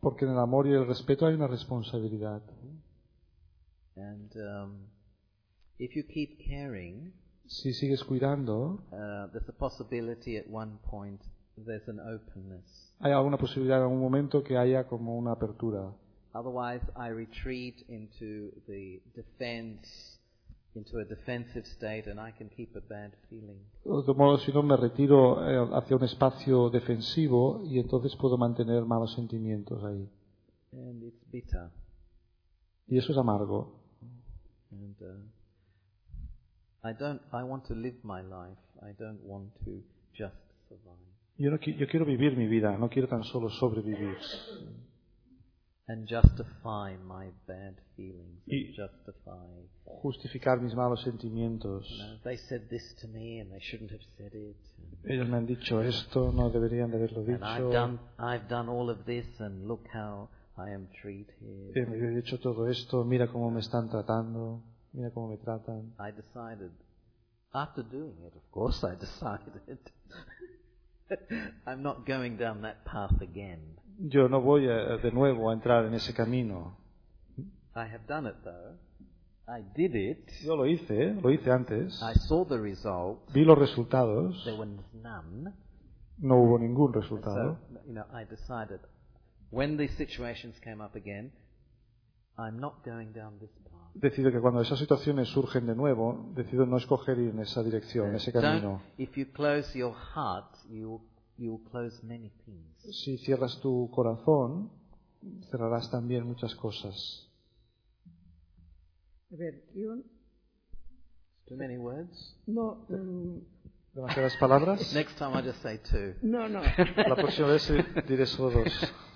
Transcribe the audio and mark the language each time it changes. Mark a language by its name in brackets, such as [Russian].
[Spanish] Porque en el amor y el respeto hay una responsabilidad. [English] And if you keep caring, [Spanish] si sigues cuidando, [English] there's a possibility at one point there's an openness. [Spanish] Hay alguna posibilidad en algún momento que haya como una apertura. [English] Otherwise, I retreat into the defense, into a defensive state, and I can keep a bad feeling. [Spanish] De modo, si no me retiro hacia un espacio defensivo, y entonces puedo mantener malos sentimientos ahí. [English] And it's bitter. [Spanish] Y eso es amargo. [English] And I want to live my life. I don't want to just survive. [Spanish] Yo quiero vivir mi vida. No quiero tan solo sobrevivir. [English] And justify my bad feelings. [Spanish] Y [English] justify. [Spanish] Justificar mis malos sentimientos. [English] You know, they said this to me, and they shouldn't have said it. [Spanish] Ellos me han dicho esto, no deberían de haberlo dicho. [English] And I've done all of this, and look how I am treated. [Spanish] He hecho todo esto. Mira cómo me están tratando. Mira cómo me tratan. [English] I decided, after doing it, of course, I decided, I'm not going down that path again. [Spanish] Yo no voy de nuevo a entrar en ese camino. [English] I have done it though. I did it. [Spanish] Yo lo hice antes. [English] I saw the result. [Spanish] Vi los resultados. [English] There was none. [Spanish] No hubo ningún resultado. [English] So, you know, I decided when these situations came up again, I'm not going down this path. [Spanish] Decido que cuando esas situaciones surgen de nuevo, decido no escoger ir en esa dirección, en ese camino. [English] If you close your heart, you will close many things. [Spanish] Si cierras tu corazón, cerrarás también muchas cosas. A ver, yo... [English] Too many words? [Spanish] No. ¿Demasiadas palabras? [English] Next time I just say two. [Spanish] No, no. La próxima vez diré solo dos.